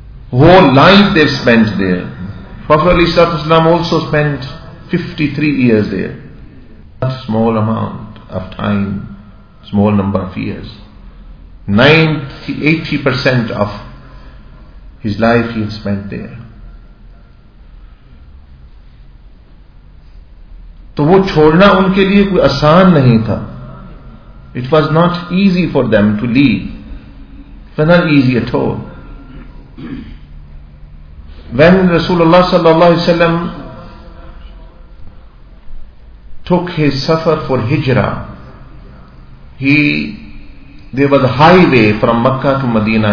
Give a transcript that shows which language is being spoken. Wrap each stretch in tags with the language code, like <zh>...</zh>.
<en>Whole life they spent there. Prophet Ali Sallallahu Alaihi Wasallam also spent 53 years there. A small amount of time, small number of years. 80% of his life he spent there.</en> <ur>تو وہ چھوڑنا ان کے لیے کوئی آسان نہیں تھا.</ur> <en>It was not easy for them to leave. It was not easy at all. When Rasulullah sallallahu alaihi wasallam took his safar for hijra, there was a highway from Makkah to Medina.</en>